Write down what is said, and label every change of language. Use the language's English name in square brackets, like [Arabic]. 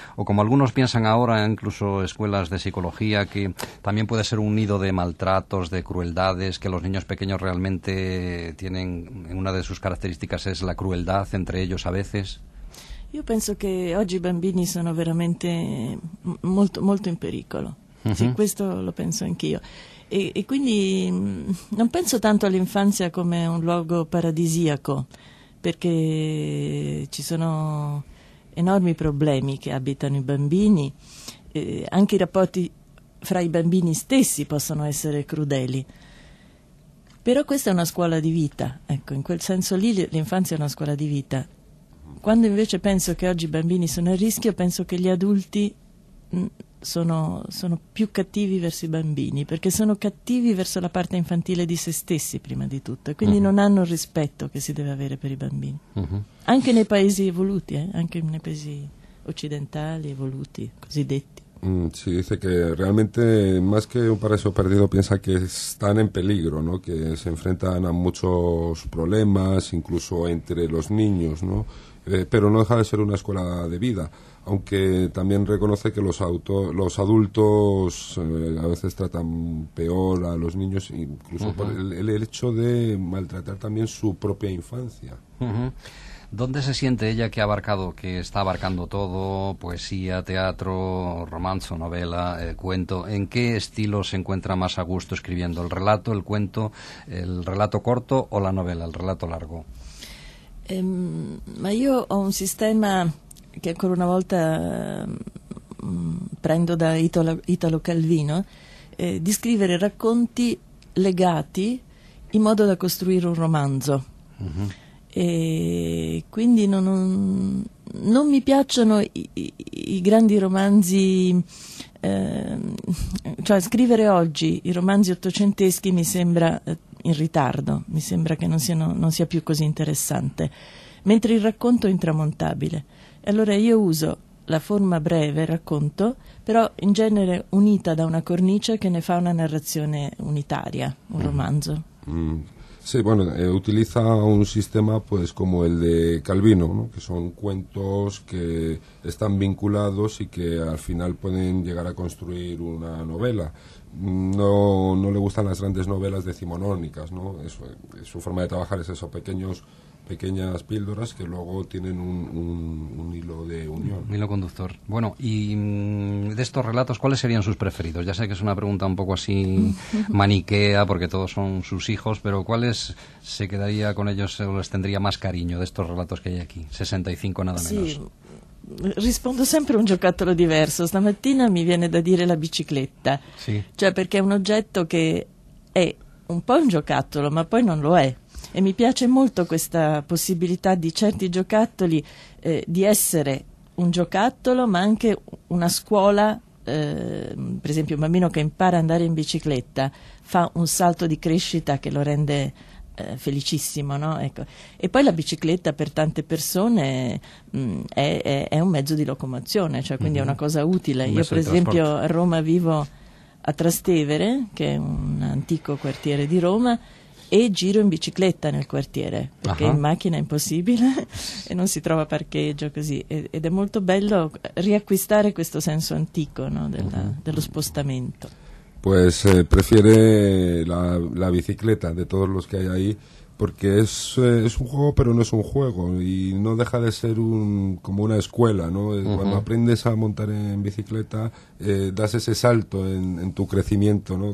[Spanish] ¿O como algunos piensan ahora, incluso escuelas de psicología, que también puede ser un nido de maltratos, de crueldades, que los niños pequeños realmente tienen, una de sus características es la crueldad entre ellos a veces? Yo pienso que hoy los bambini son realmente muy, muy en pericolo. Sí, esto lo pienso anch'io. [Italian] E quindi non penso tanto all'infanzia come un luogo paradisiaco, perché ci sono enormi problemi che abitano i bambini, anche i rapporti fra i bambini stessi possono essere crudeli, però questa è una scuola di vita, ecco, in quel senso lì l'infanzia è una scuola di vita. Quando invece penso che oggi i bambini sono a rischio, penso che gli adulti sono più cattivi verso i bambini, perché sono cattivi verso la parte infantile di se stessi prima di tutto, e quindi non hanno il rispetto che si deve avere per i bambini, anche nei paesi evoluti, anche nei paesi occidentali evoluti, cosiddetti. [Spanish] Sí, dice que realmente más que un paraíso perdido piensa que están en peligro, ¿no? Que se enfrentan a muchos problemas, incluso entre los niños, ¿no? Pero no deja de ser una escuela de vida, aunque también reconoce que los adultos a veces tratan peor a los niños, incluso por el hecho de maltratar también su propia infancia. ¿Dónde se siente ella que ha abarcado, que está abarcando todo, poesía, teatro, romance, novela, cuento? ¿En qué estilo se encuentra más a gusto escribiendo? ¿El relato, el cuento, el relato corto o la novela, el relato largo? [Italian] Ma io ho un sistema che ancora una volta prendo da Italo Calvino, di scrivere racconti legati in modo da costruire un romanzo. E quindi non mi piacciono i grandi romanzi, cioè scrivere oggi i romanzi ottocenteschi mi sembra in ritardo, mi sembra che non sia più così interessante, mentre il racconto è intramontabile. E allora io uso la forma breve, racconto, però in genere unita da una cornice che ne fa una narrazione unitaria, un romanzo. [Spanish] Sí, bueno, utiliza un sistema pues como el de Calvino, ¿no? Que son cuentos que están vinculados y que al final pueden llegar a construir una novela. No le gustan las grandes novelas decimonónicas, ¿no? Su forma de trabajar es eso, pequeñas píldoras que luego tienen un hilo de unión. Un hilo conductor. Bueno, y de estos relatos, ¿cuáles serían sus preferidos? Ya sé que es una pregunta un poco así maniquea, porque todos son sus hijos, pero ¿cuáles se quedaría con ellos o les tendría más cariño de estos relatos que hay aquí? 65 nada menos. [Italian] Sí, rispondo sempre un giocattolo diverso. Stamattina mi viene da dire la bicicletta. Sì. Cioè, perché è un oggetto che è un po' un giocattolo, ma poi non lo è. E mi piace molto questa possibilità di certi giocattoli di essere un giocattolo, ma anche una scuola. Per esempio, un bambino che impara ad andare in bicicletta fa un salto di crescita che lo rende felicissimo, no? Ecco. E poi la bicicletta per tante persone è un mezzo di locomozione, cioè quindi è una cosa utile. Io, per esempio, a Roma vivo a Trastevere, che è un antico quartiere di Roma, e giro in bicicletta nel quartiere, perché in macchina è impossibile e non si trova parcheggio, così. Ed è molto bello riacquistare questo senso antico, no, dello spostamento. [Spanish] Pues prefiere la bicicleta de todos los que hay ahí, porque es un juego, pero no es un juego, y no deja de ser un como una escuela, ¿no? Uh-huh. Cuando aprendes a montar en bicicleta, das ese salto en tu crecimiento, ¿no?